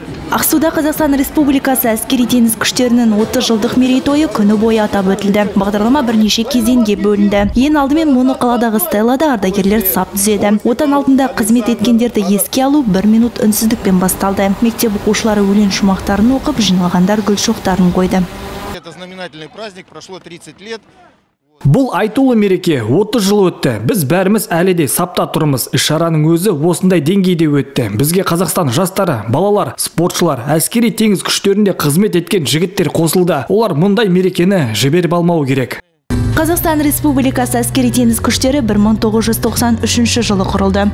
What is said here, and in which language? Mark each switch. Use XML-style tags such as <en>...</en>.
<kk>Ақсуда Қазақстан Республикасы әскери теңіз күштерінің 30 жылдық мерейтойы күні бойы атап өтілді. Бағдарлама бірнеше кезеңге бөлінді. Ең алдымен мұны қаладағы стеллада ардагерлер сап түзеді. Отан алдында қызмет еткендерді еске алу бір минут үнсіздікпен басталды. Мектеп оқушылары өлең шумақтарын оқып, жиналғандар гүл шоқтарын қойды.</kk> <ru>Это знаменательный праздник, прошло 30 лет.</ru> <kk>Бұл айтулы мереке 30 жыл өтті. Біз бәріміз әлі де сапта тұрмыз. Шараның өзі осындай деңгейде өтті. Бізге Қазақстан жастары, балалар, спортшылар, әскери теңіз күштерінде қызмет еткен жігіттер қосылды. Олар мұндай мерекені жіберіп алмау керек. Қазақстан Республикасы әскери теңіз күштері 1993 жылы құрылды.</kk>